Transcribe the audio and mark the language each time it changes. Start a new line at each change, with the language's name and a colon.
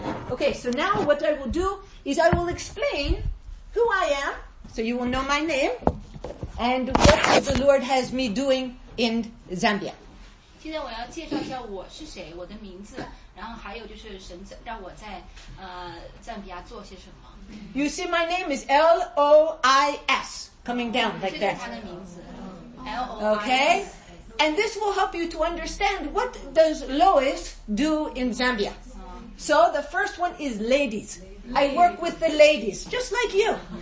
English: Okay, so now what I will do is I will explain who I am, so you will know my name. And what the Lord has me doing in Zambia.
Chinese: 现在我要介绍一下我是谁，我的名字，然后还有就是神让我在赞比亚做些什么。
English: You see, my name is Lois, coming down like that.
Chinese: 这是他的名字 ，Lois.
English: Okay, and this will help you to understand what does Lois do in Zambia. So the first one is ladies. I work with the ladies, just like you.